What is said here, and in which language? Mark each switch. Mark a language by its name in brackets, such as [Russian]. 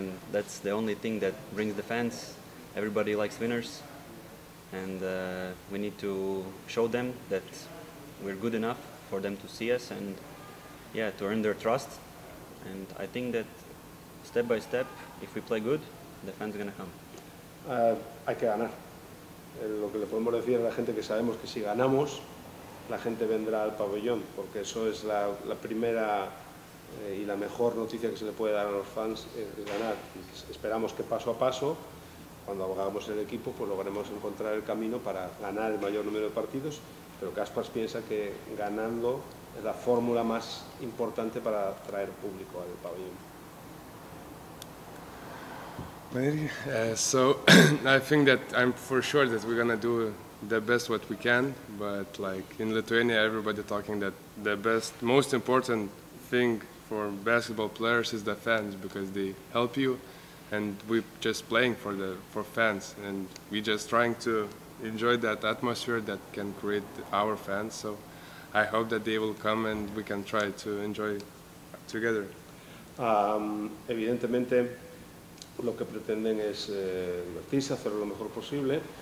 [English] That's the only thing that brings the fans. Everybody likes winners, and we need to show them that we're good enough for them to see us and, yeah, to earn their trust. And I think that step by step, if we play good, the fans are gonna come. [Spanish] Hay que ganar. Lo que le podemos decir a la gente que sabemos que si ganamos, la gente vendrá al pabellón, porque eso es la primera y la mejor noticia que se le puede dar a los fans, es ganar. Y esperamos que paso a paso, cuando hagamos el equipo, pues lograremos encontrar el camino para ganar el mayor número de partidos, pero Kaspars piensa que ganando es la fórmula más importante para atraer público al pabellón. [English] So, I think that I'm for sure that we're gonna do the best what we can, but like in Lithuania, everybody talking that the best, most important thing for basketball players is the fans, because they help you, and we're just playing for the fans, and we just trying to enjoy that atmosphere that can create our fans. So I hope that they will come and we can try to enjoy together. [Spanish] Evidentemente, lo que pretenden es divertirse, hacer lo mejor posible.